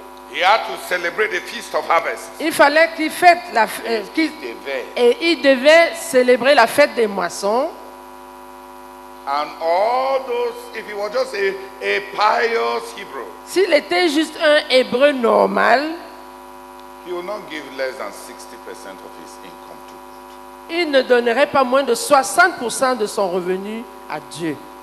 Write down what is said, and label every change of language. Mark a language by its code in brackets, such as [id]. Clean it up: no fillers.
[en] He had to celebrate the feast of harvest. [fr] Il fallait qu'il fête la il devait célébrer la fête des moissons. [en] And all those, if he was just a pious Hebrew, [fr] s'il était juste un Hébreu normal, [en] he would not give less than 60% of his income to God. [fr] Il ne donnerait pas moins de 60% de son revenu à Dieu.